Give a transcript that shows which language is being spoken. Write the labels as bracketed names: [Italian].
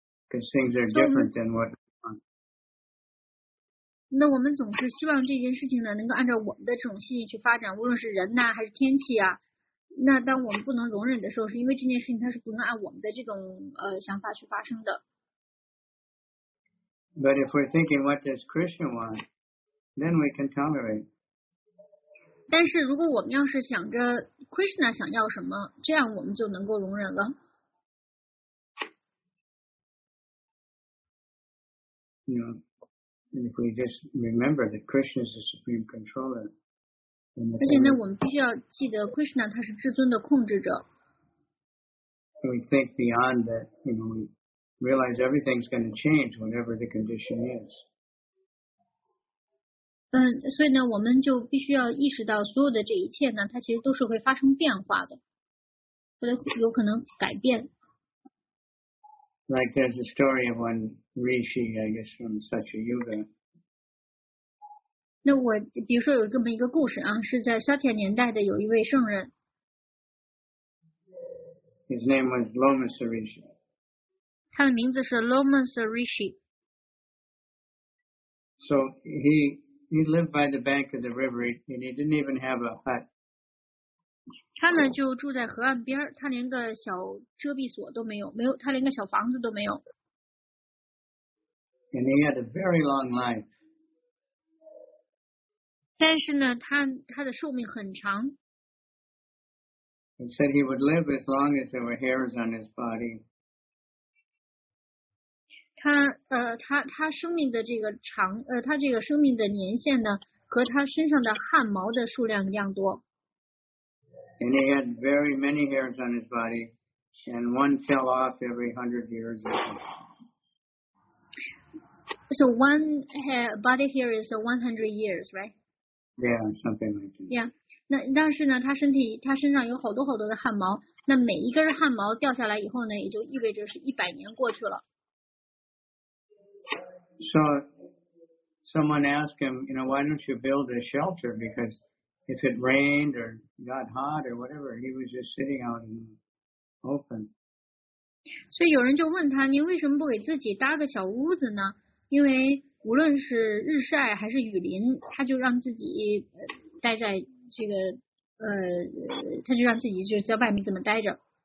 [English] Because things are different than what we want. [Chinese] 那我们总是希望这件事情呢，能够按照我们的这种心意去发展，无论是人呐，还是天气啊。那当我们不能容忍的时候，是因为这件事情它是不能按我们的这种想法去发生的。 [English] But if we're thinking what does Christian want, then we can tolerate. [Chinese] 但是如果我们要是想着 Krishna 想要什么，这样我们就能够容忍了。 [English] You know, if we just remember that Krishna is the supreme controller. [Chinese] 而且呢，我们必须要记得 ，Krishna 他是至尊的控制者。 [English] We think beyond that, you know, we realize everything's going to change, whatever the condition is. [Chinese] 所以呢，我们就必须要意识到，所有的这一切呢，它其实都是会发生变化的，有可能改变。 [English] Like there's a story of one Rishi, I guess, from Satyayuga. [Chinese] 那我比如说有这么一个故事啊，是在萨提年代的有一位圣人。 [English] His name was Lomasa Rishi. [Chinese] 他的名字是 Lomasa Rishi. [English] So he lived by the bank of the river and he didn't even have a hut. [Chinese] 他呢就住在河岸边，他连个小遮蔽所都没有，没有，他连个小房子都没有。 [English] And he had a very long life. [Chinese] 但是呢，他的寿命很长。 [English] He said he would live as long as there were hairs on his body. [Chinese] 他生命的这个长他这个生命的年限呢，和他身上的汗毛的数量一样多。 [English] And he had very many hairs on his body, and one fell off every 100 years or so. So one body hair is 100 years, right? Yeah, something like that. [Chinese] Yeah, 那但是呢，他身上有好多好多的汗毛。那每一根汗毛掉下来以后呢，也就意味着是100年过去了。 [English] So, someone asked him, you know, why don't you build a shelter? Because if it rained or got hot or whatever, he was just sitting out in the open. [Chinese] 所以有人就问他，您为什么不给自己搭个小屋子呢？因为无论是日晒还是雨淋，他就让自己待在这个他就让自己就在外面这么待着。